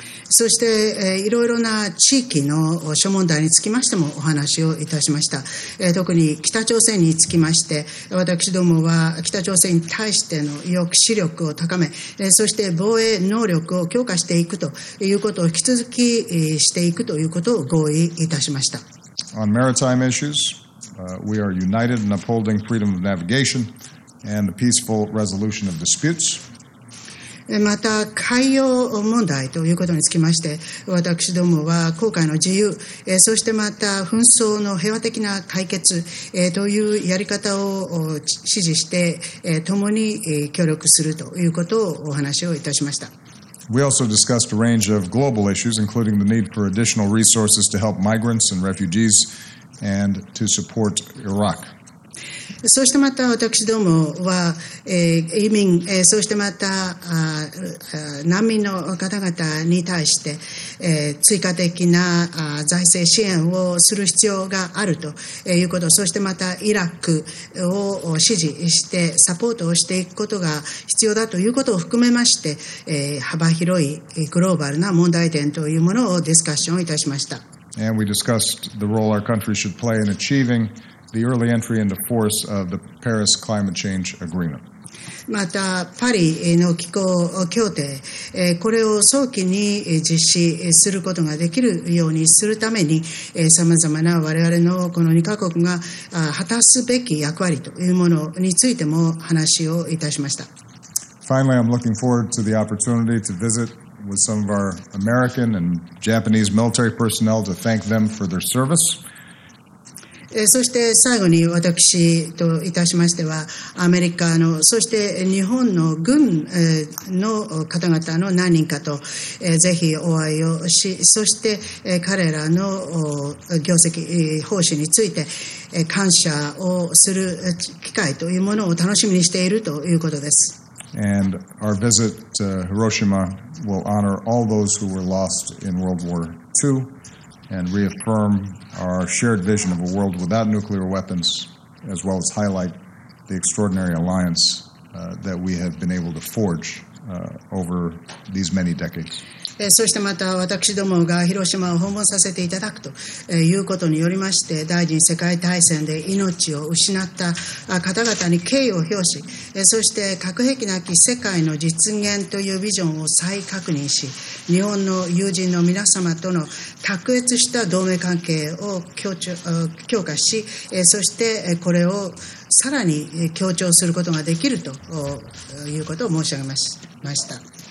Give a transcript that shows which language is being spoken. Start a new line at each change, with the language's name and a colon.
Japanese: そして、いろいろな地域の諸問題につきましてもお話をいたしました。特に北朝鮮につきまして、私どもは北朝鮮に対しての抑止力を高め、そして防衛能力を強化していくということを引き続きしていくということを合意いたしました。
English: On maritime issues, we are united in upholding freedom of navigation and the peaceful resolution of disputes.
Japanese: また海洋問題ということにつきまして、私どもは航海の自由、そしてまた紛争の平和的な解決というやり方を支持して、共に協力するということをお話をいたしました。
English: We also discussed a range of global issues, including the need for additional resources to help migrants and refugees and to support Iraq.
Japanese: そしてまた私どもは、移民、そしてまた難民の方々に対して、追加的な財政支援をする必要があるということ、そしてまたイラクを支持してサポートをしていくことが必要だということを含めまして、幅広いグローバルな問題点というものをディスカッションいたしました。
English: And we discussed the role our country should play in achieving the early entry into force of the Paris Climate Change Agreement.
Japanese: また、パリの気候協定、これを早期に実施することができるようにするために、さまざまな我々のこの2カ国が果たすべき役割というものについても話をいたしました。
English: Finally, I'm looking forward to the opportunity to visit with some of our American and Japanese military personnel to thank them for their service.
Japanese: そして最後に私といたしましては、アメリカの、そして日本の軍の方々の何人かと、ぜひお会いをし、そして彼らの業績、奉仕について感謝をする機会というものを楽しみにしているということです。
English: And our visit to Hiroshima will honor all those who were lost in World War II. And reaffirm our shared vision of a world without nuclear weapons, as well as highlight the extraordinary alliance, that we have been able to forge, over these many decades.
Japanese: そしてまた私どもが広島を訪問させていただくということによりまして、第二次世界大戦で命を失った方々に敬意を表し、そして核兵器なき世界の実現というビジョンを再確認し、日本の友人の皆様との卓越した同盟関係を強化し、そしてこれをさらに強調することができるということを申し上げました。